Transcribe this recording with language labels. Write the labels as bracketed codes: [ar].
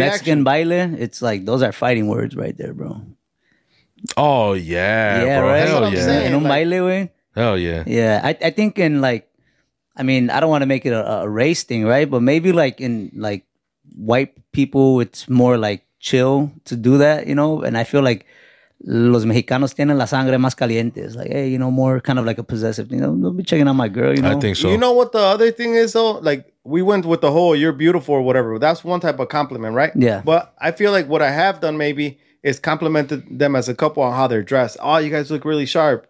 [en] At a Mexican baile, it's like, those are fighting words right there, bro. Oh, yeah. Yeah, bro. Right? Hell yeah. Saying, in un baile, way. Hell yeah. Yeah. I think in, like, I mean, I don't want to make it a race thing, right? But maybe, like, in, like, white people, it's more, like, chill to do that, you know? And I feel like [es] los mexicanos tienen la sangre más caliente. [en] It's like, hey, you know, more kind of like a possessive thing. Don't be checking out my girl, you know? I think so. You know what the other thing is, though? Like, we went with the whole you're beautiful or whatever. That's one type of compliment, right? Yeah. But I feel like what I have done maybe is complimented them as a couple on how they're dressed. Oh, you guys look really sharp.